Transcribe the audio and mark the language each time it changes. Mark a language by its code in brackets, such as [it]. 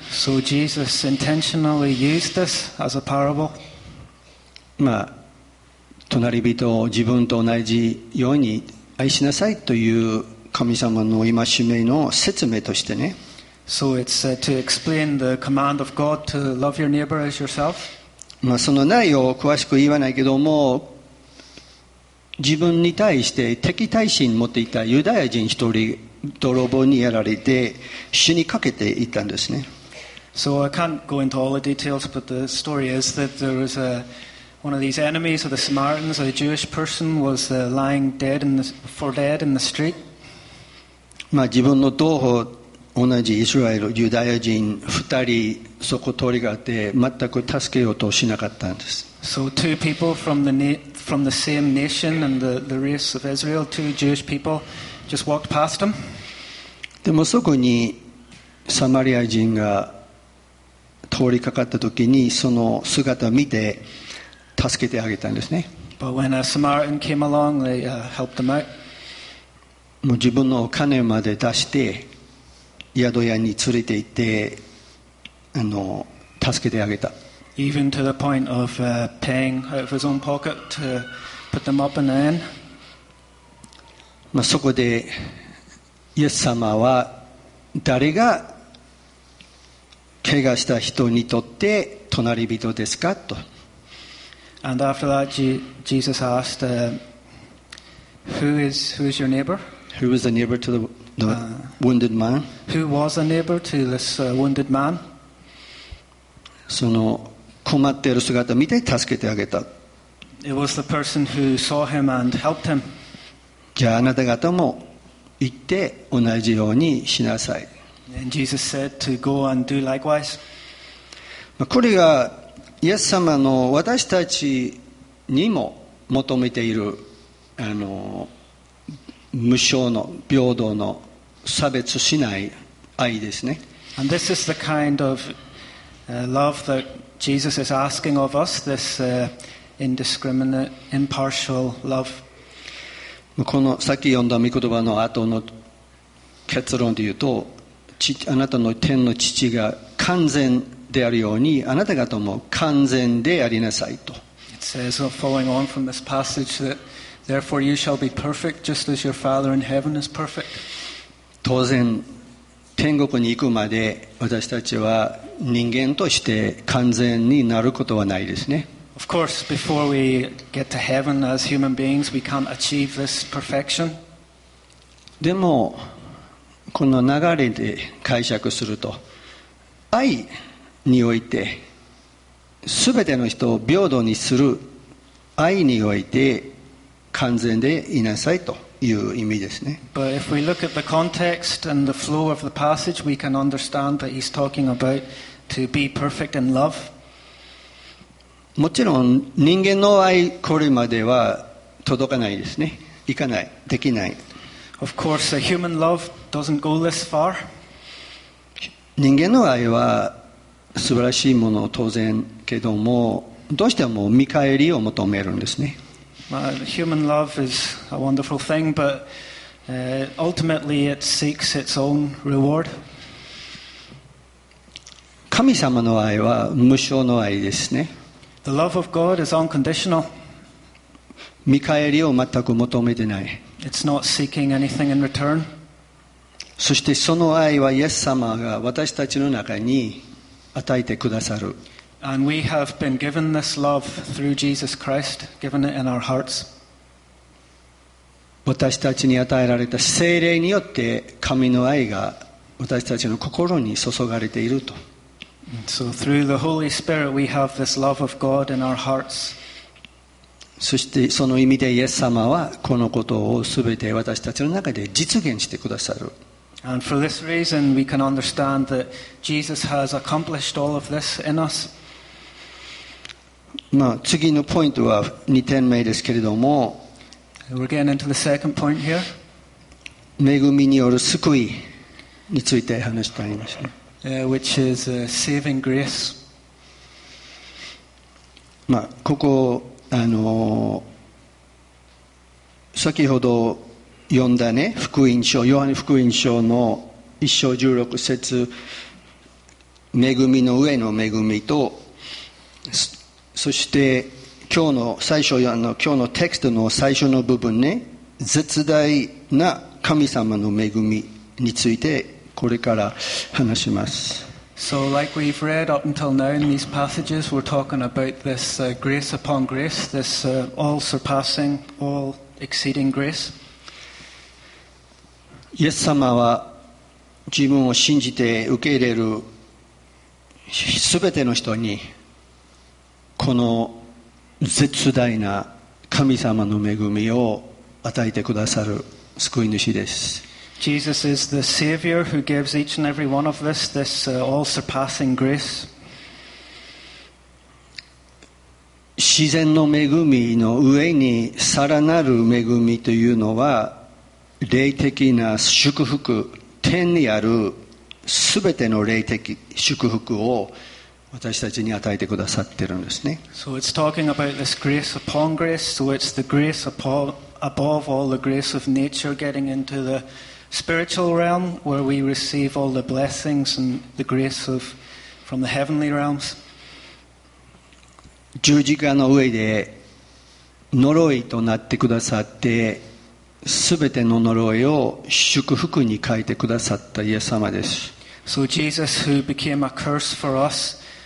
[en] So Jesus intentionally used this as a parable. [ja] まあ隣人を自分と同じように愛しなさいという神様の戒めの説明としてね。 [en] So it's to explain the command of God to love your neighbor as yourself. [ja] まあその内容を詳しく言わないけども、自分に対して敵対心を持っていたユダヤ人一人泥棒にやられて死にかけていたんですね。 [en] So I can't go into all the details, but the story is that there was a one of these enemies of the Samaritans, a Jewish person, was lying dead in the, for dead in the street. [ja] まあ自分の同胞同じイスラエルユダヤ人二人そこ通りがあって全く助けようとしなかったんです。 [en] So two people from the same nation and the race of Israel, two Jewish people, just walked past him. [ja] でもそこにサマリア人が通りかかった時にその姿を見て助けてあげたんですね。 [en] But when a Samaritan came along, they helped him out. [ja] もう自分のお金まで出して宿屋に連れて行って助けてあげた。 [en] Even to the point of paying out of his own pocket to put them up in the inn. [ja] まあそこでイエス様は誰が怪我した人にとって隣人ですかと。 [en] And after that, Jesus asked, who is your neighbor? Who was the neighbor to the wounded man? Who was the neighbor to this wounded man? [ja] その困っている姿を見て助けてあげた。 [en] It was the person who saw him and helped him. [ja] じゃああなた方も行って同じようにしなさい。 [en] And Jesus said to go and do likewise. [ja] まあこれがイエス様の私たちにも求めている無償の平等の差別しない愛ですね。 [en] And this is the kind of love that Jesus is asking of us, this indiscriminate, impartial love. [ja] このさっき読んだ御言葉の後の結論で言うと、あなたの天の父が完全であるようにあなた方も完全でありなさいと。 [en] It says, following on from this passage, that therefore you shall be perfect, just as your Father in heaven is perfect. [ja] 当然、天国に行くまで私たちは人間として完全になることはないですね。 [en] Of course, before we get to heaven as human beings, we can't achieve this perfection. [ja] でもこの流れで解釈すると、愛において全ての人を平等にする愛において完全でいなさいという意味ですね。 [en] But if we look at the context and the flow of the passage, we can understand that he's talking about to be perfect in love. [ja] もちろん人間の愛これまでは届かないですね。いかない、できない。 [en] Of course, a human love doesn't go this far. [ja] 人間の愛は素晴らしいもの当然けども、どうしても見返りを求めるんですね。 [en] Human love is a wonderful thing, but ultimately it seeks its own reward. [ja] 神様の愛は無償の愛ですね。 [en] The love of God is unconditional. [ja] 見返りを全く求めてない。 [en] It's not seeking anything in return. [ja] そしてその愛はイエス様が私たちの中に与えてくださる。 [en] And we have been given this love through Jesus Christ, given it in our hearts. [ja] 私たちに与えられた聖霊によって神の愛が私たちの心に注がれていると。 [en] So through the Holy Spirit we have this love of God in our hearts. [ja] そしてその意味でイエス様はこのことをすべて私たちの中で実現してくださる。 [en] And for this reason we can understand that Jesus has accomplished all of this in us. [ja] まあ次のポイントは2点目ですけれども。 [en] We're getting into the second point here. [ja] 恵みによる救いについて話してありました。 [en] Which is saving grace. [ja] まあここ先ほど読んだね福音書ヨハネ福音書の1章16節恵みの上の恵みと そして今日の最初今日のテキストの最初の部分ね絶大な神様の恵みについてこれから話します。 [en] So like we've read up until now in these passages, we're talking about this grace upon grace, this all surpassing, all exceeding grace. [ja] イエス様は自分を信じて受け入れるすべての人にこの絶大な神様の恵みを与えてくださる救い主です。 [en] Jesus is the Savior who gives each and every one of us this all-surpassing grace. [ja] 自然の恵みの上にさらなる恵みというのは霊的な祝福、天にあるすべての霊的祝福を私たちに与えてくださってるんですね。 [en] So it's talking about this grace upon grace. So it's the grace above all the grace of nature getting into the spiritual realm where we receive all the blessings and the grace of from the heavenly realms. [ja] 十字架の上で呪いとなってくださって、すべての呪いを祝福に変えてくださったイエス様です。 [en] So Jesus who became a curse for us.